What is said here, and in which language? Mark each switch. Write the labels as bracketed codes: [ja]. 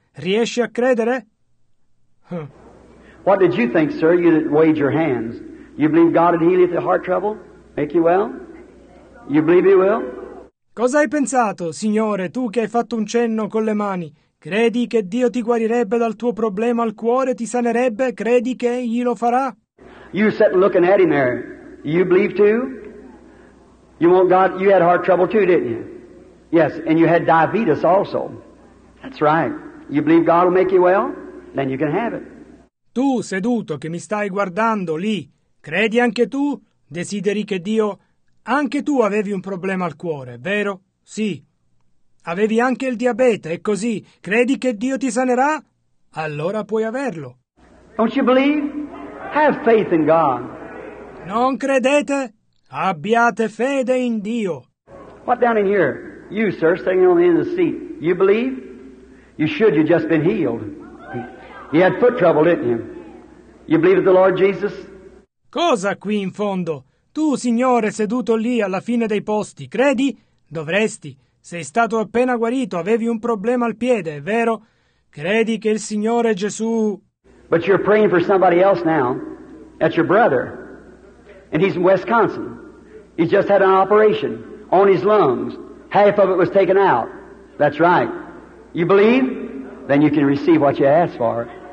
[it] Riesci a credere? [en] What did you think, sir? You that weighed your hands. You believe God would heal you through heart trouble? Make you well? You believe He will? [it] Cosa hai pensato, signore, tu che hai fatto un cenno con le mani? Credi che Dio ti guarirebbe dal tuo problema al cuore, ti sanerebbe? Credi che Egli lo farà? [en] You sat looking at him there. You believe too? You want God? You had heart trouble too, didn't you? Yes, and you had diabetes also. That's right. You believe God will make you well? Then you can have it. [it] Tu, seduto, che mi stai guardando lì, credi anche tu? Desideri che Dio... Anche tu avevi un problema al cuore, vero? Sì. Avevi anche il diabete, è così. Credi che Dio ti sanerà? Allora puoi averlo. [en] Don't you believe? Have faith in God. [it] Non credete? Abbiate fede in Dio. [en] What down in here? You, sir, sitting on the end of the seat. You believe? You should, you've just been healed. You had foot trouble, didn't you? You believe in the Lord Jesus? [it] Cosa qui in fondo? Tu, signore, seduto lì alla fine dei posti, credi? Dovresti. Sei stato appena guarito, avevi un problema al piede, è vero? Credi che il Signore Gesù... [en] But you're praying for somebody else now. That's your brother. And he's in Wisconsin. He just had an operation on his lungs. Half of it was taken out. That's right. You believe? Then you can receive what you asked for.